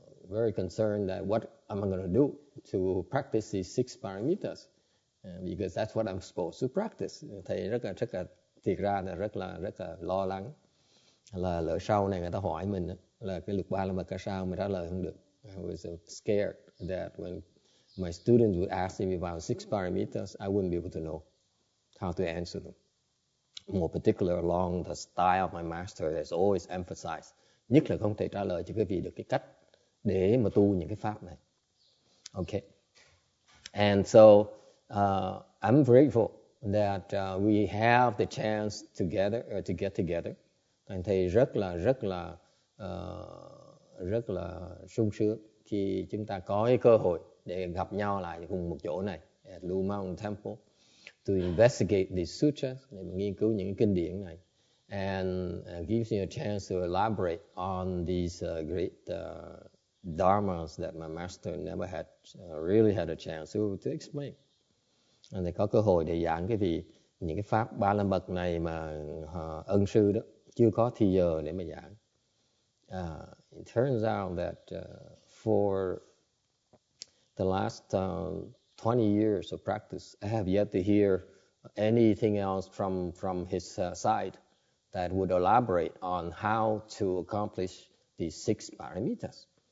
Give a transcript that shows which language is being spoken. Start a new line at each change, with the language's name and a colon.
English: very concerned that what am I going to do to practice these six parameters? Because that's what I'm supposed to practice.
Vietnamese: Thầy rất là thiệt ra là rất là lo lắng là lỡ sau này người ta hỏi mình là cái lục ba la mật ca sao mình trả lời không được.
English: I was so scared that when my students would ask me about six parameters, I wouldn't be able to know how to answer them. More particular along the style of my master that's always emphasized.
Vietnamese: Nhất là không thể trả lời cho quý vị được cái cách để mà tu những cái pháp này.
English: Okay. And so I'm grateful that we have the chance together to get together.
Vietnamese: Anh thầy rất là sung sướng khi chúng ta có cái cơ hội để gặp nhau lại cùng một chỗ này
English: at Lu Mong Temple to investigate these sutras,
Vietnamese: để nghiên cứu những kinh điển này,
English: and gives me a chance to elaborate on these great dharmas that my master never had really had a chance to explain.
Vietnamese: Anh thầy có cơ hội để giảng cái vị những cái pháp ba la mật này mà ân sư đó chưa có thì giờ để mà giảng.
English: It turns out that for the last 20 years of practice, I have yet to hear anything else from his side that would elaborate on how to accomplish these six parameters.